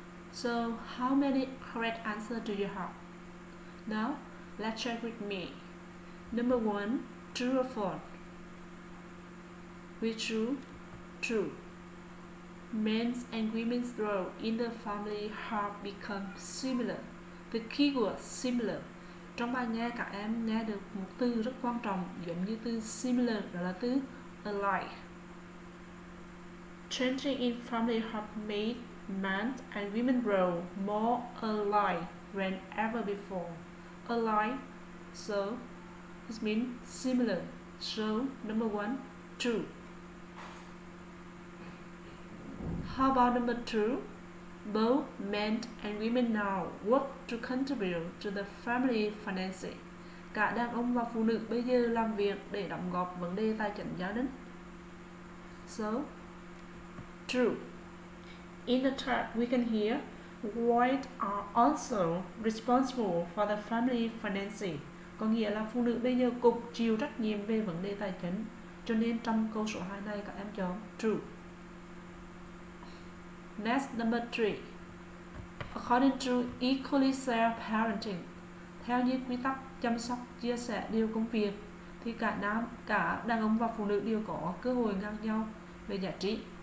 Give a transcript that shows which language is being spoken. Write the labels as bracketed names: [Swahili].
[English] So, how many correct answers do you have? Now, let's check with me. Number one, true or false? Which true? True. Men's and women's role in the family have become similar. The keyword similar. [Vietnamese] Trong bài nghe, các em nghe được một từ rất quan trọng, giống như từ similar, đó là từ alike. [English] Changing in family have made men's and women's role more alike than ever before. Alike, so this means similar. So number one, true. How about number two? Both men and women now work to contribute to the family finances. [Vietnamese] Cả đàn ông và phụ nữ bây giờ làm việc để đóng góp vấn đề tài chính gia đình. [English] So, true. In the chat, we can hear wives are also responsible for the family finances. [Vietnamese] Có nghĩa là phụ nữ bây giờ cũng chịu trách nhiệm về vấn đề tài chính. Cho nên trong câu số 2 này các em chọn true. [English] Next, number 3. According to equally shared parenting, [Vietnamese] theo như quy tắc chăm sóc chia sẻ điều công việc, thì cả nam, cả đàn ông và phụ nữ đều có cơ hội ngang nhau về giá trị.